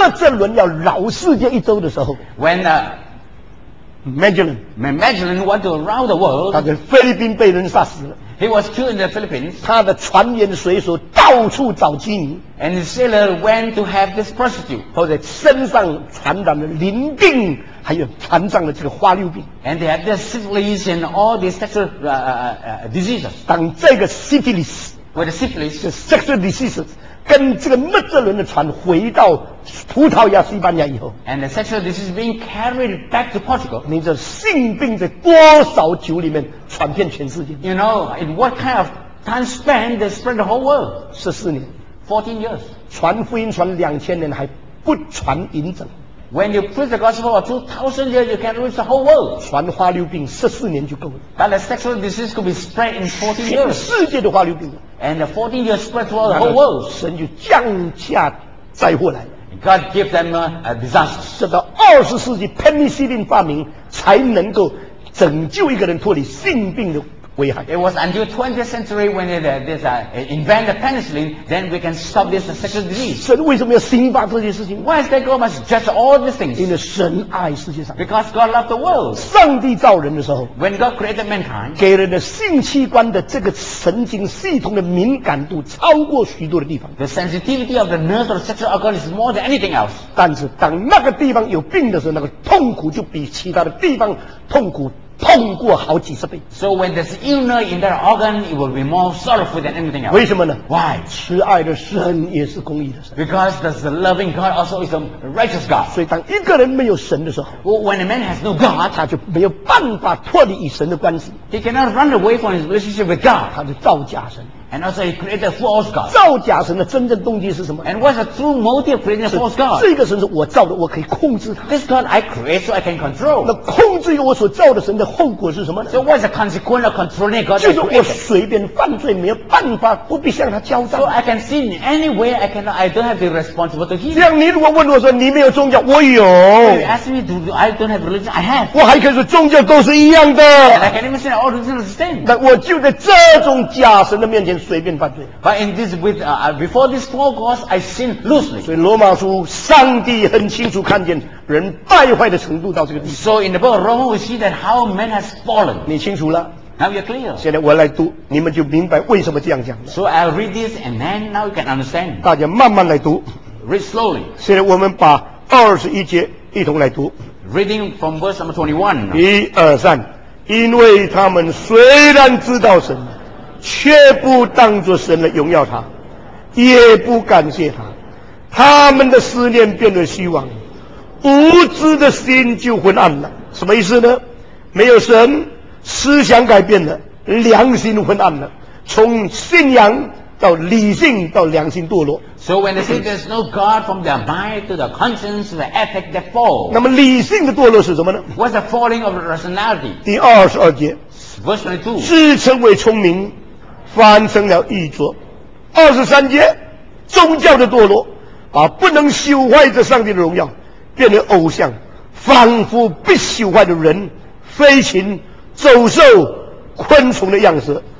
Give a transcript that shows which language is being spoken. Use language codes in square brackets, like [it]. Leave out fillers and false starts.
[zh] 麦哲伦要绕世界一周的时候 [en] ，When Magellan want to rout the world, [zh] 他在菲律宾被人杀死了。 [en] He was killed in the Philippines. [zh] 他的船员水手到处找妓女。 [en] And the sailor went to have this prostitute. [zh] 或者身上传染了淋病，还有传染了这个花柳病。 [en] And they had this syphilis and all these sexual diseases. [zh] 当这个 syphilis, [en] with the syphilis, the sexual diseases, [zh] 跟这个麦哲伦的船回到葡萄牙、西班牙以后。 [en] And the sexual disease being carried back to Portugal. [zh] 你这性病在多少酒里面？传遍全世界。 [en] You know, in what kind of time span they spread the whole world? [zh] 14年。 [en] 14 years. [zh] 传福音传2000年还不传完整。 [en] When you preach the gospel for 2,000 years, you can reach the whole world. [zh] 传花柳病14年就够了。 [en] But the sexual disease could be spread in 14 years. [zh] 全世界的花柳病。 [en] And the 14 years spread throughout the whole world. [zh] 神就降下灾祸来。 [en] God gave them a disaster. [zh] 直到20世纪 ，penicillin 发明才能够。拯救一个人脱离性病的危害。 [en] It was until 20th century when invent the penicillin, then we can stop this sexual disease. [zh] 神为什么要刑罚这些事情 [en] ？Why is that God must judge all these things? [zh] 因为神爱世界上。 [en] Because God loved the world. [zh] 上帝造人的时候 [en] ，When God created mankind, [zh] 给人的性器官的这个神经系统的敏感度超过许多的地方。 [en] The sensitivity of the nerves of the sexual organ is more than anything else. [zh] 但是当那个地方有病的时候，那个痛苦就比其他的地方痛苦。痛过好几十倍。 [en] So when there's illness in that organ, it will be more sorrowful than anything else. [zh] 为什么呢 [en] ？Why? [zh] 慈爱的神也是公义的神。 [en] Because the loving God also is a righteous God. [zh] 所以当一个人没有神的时候 [en] ，When a man has no God, [zh] 他就没有办法脱离与神的关系。 [en] He cannot run away from his relationship with God. [zh] 他就造假神。 [en] And also he created false gods. [zh] 造假神的真正动机是什么？ [en] And what's the true motive creating false gods? [zh] 这个神是我造的，我可以控制它。 [en] This God I create so I can control. [zh] 那控制我所造的神的后果是什么呢？ [en] So what's the consequence of controlling God? [zh] 就是我随便犯罪，没有办法，不必向他交账。 [en] So I can sin anywhere, I cannot, I don't have the responsibility to him. [zh] 这样你如果问我说你没有宗教，我有。 [en] You ask me, do I don't have religion? I have. [zh] 我还可以说宗教都是一样的。 [en] I can even say all religions are the same. [zh] 那我就在这种假神的面前随便犯罪。 [en] But in this, with, before this four gods, I sin loosely. [zh] 所以罗马书，上帝很清楚看见人败坏的程度到这个地步。 [en] So in the book of Romans, we see that how man has fallen. [zh] 你清楚了。 [en] Now you're clear. [zh] 现在我来读，你们就明白为什么这样讲。 [en] So I'll read this, and then now you can understand. [zh] 大家慢慢来读。 [en] Read slowly. [zh] 现在我们把二十一节一同来读。 [en] Reading from verse number 21. [zh] 一二三。因为他们虽然知道神，却不当作神来荣耀他，也不感谢他，他们的思念变得虚妄，无知的心就昏暗了。什么意思呢？没有神，思想改变了，良心昏暗了，从信仰到理性到良心堕落。 [en] So when they say there's no God, from their mind to their conscience, the effect they fall. [zh] 那么理性的堕落是什么呢？ [en] What's the falling of rationality? [zh] 第二十二节。 [en] Verse 22. [zh] 自称为聪明，翻成了愚拙。二十三节，宗教的堕落，把不能朽坏的上帝的荣耀变成偶像，仿佛被朽坏的人、飞禽、走兽、昆虫的样式。